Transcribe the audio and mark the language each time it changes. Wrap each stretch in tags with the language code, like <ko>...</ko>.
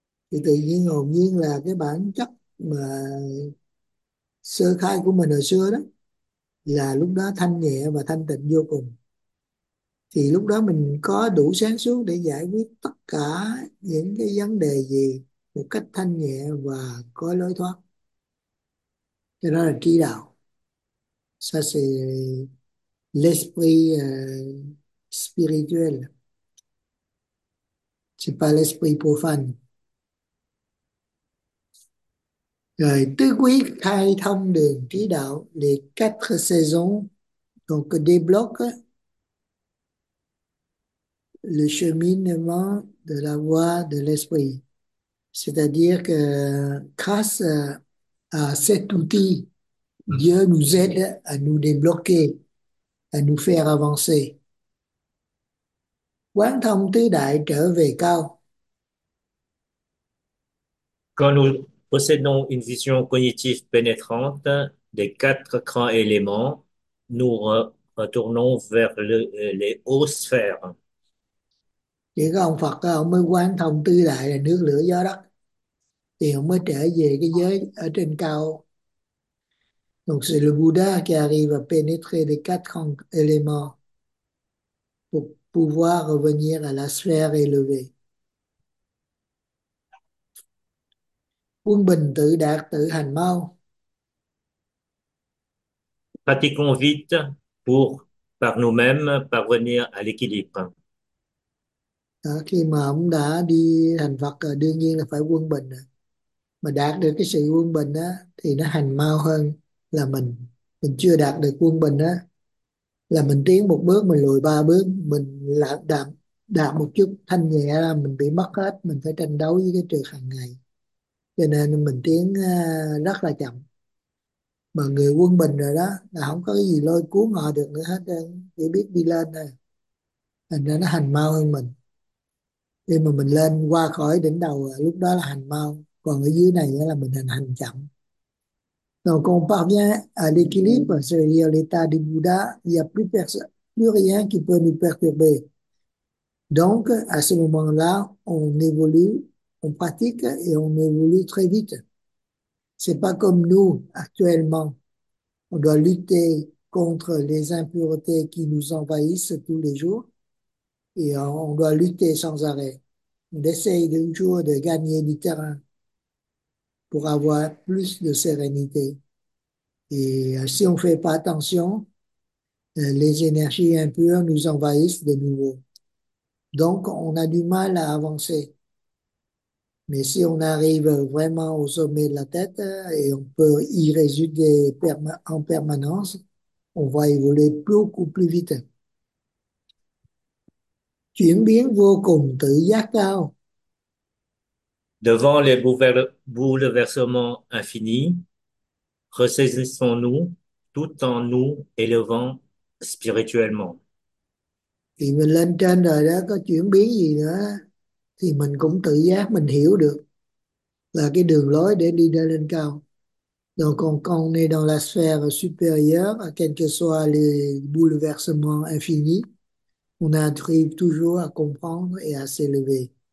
<vi>Thì tự nhiên hồn nhiên là cái bản chất mà sơ khai của mình hồi xưa đó, là lúc đó thanh nhẹ và thanh tịnh vô cùng. Thì lúc đó mình có đủ sáng suốt để giải quyết tất cả những cái vấn đề gì một cách thanh nhẹ và có lối thoát. Cái đó là trí đạo.</vi> <fr>Ça c'est l'esprit spirituel. C'est pas l'esprit profane.</fr> <vi>Rồi, tứ quý khai thông đường trí đạo,</vi> <fr>les quatre saisons, donc débloque le cheminement de la voie de l'esprit. C'est-à-dire que grâce à cet outil, Dieu nous aide à nous débloquer, à nous faire avancer.</fr> <vi>Quán thông tứ đại trở về cao.</vi> <fr>Quand nous possédons une vision cognitive pénétrante des quatre grands éléments, nous retournons vers les hautes sphères.</fr> <vi>Chỉ có ông Phật đó, ông mới quán thông tứ đại là nước lửa gió đất, thì ông mới trở về cái giới ở trên cao.</vi> <fr>Donc c'est le Bouddha qui arrive à pénétrer les quatre éléments pour pouvoir revenir à la sphère élevée.</fr> <vi>Quân bình tự đạt tự hành mau.</vi> <fr>Pratiquons vite pour, par nous-mêmes, parvenir à l'équilibre.</fr> <vi>Đó, khi mà ông đã đi thành Phật rồi, đương nhiên là phải quân bình rồi. Mà đạt được cái sự quân bình á thì nó hành mau hơn là mình chưa đạt được quân bình á là mình tiến một bước mình lùi ba bước, mình lạc đạm đạt một chút thanh nhẹ là mình bị mất hết, mình phải tranh đấu với cái trượt hàng ngày, cho nên mình tiến rất là chậm. Mà người quân bình rồi đó là không có cái gì lôi cuốn họ được nữa hết, chỉ biết đi lên thôi, thành ra nó hành mau hơn mình. Khi mà mình lên qua khỏi đỉnh đầu lúc đó là hành mau. còn ở dưới này là mình hành hành chậm.</vi> <fr>Donc on parvient à l'équilibre, c'est-à-dire l'état du Bouddha, il n'y a plus personne, plus rien qui peut nous perturber. Donc à ce moment-là, on évolue, on pratique et on évolue très vite. C'est pas comme nous actuellement. On doit lutter contre les impuretés qui nous envahissent tous les jours et on doit lutter sans arrêt. On essaye toujours de gagner du terrain pour avoir plus de sérénité. Et si on fait pas attention, les énergies impures nous envahissent de nouveau. Donc, on a du mal à avancer. Mais si on arrive vraiment au sommet de la tête et on peut y résider en permanence, on va évoluer beaucoup plus vite.</fr> <vi>Chuyển biến vô cùng tự giác cao.</vi> <fr>Devant les bouleversements infinis, ressaisissons-nous tout en nous élevant spirituellement.</fr> <vi>Thì mình lên trên rồi đó, có chuyển biến gì nữa thì mình cũng tự giác mình hiểu được là cái đường lối để đi lên cao.</vi> <fr>Donc quand on est dans la sphère supérieure, quel que soit les bouleversements infinis, on arrive toujours à comprendre et à s'élever.</fr>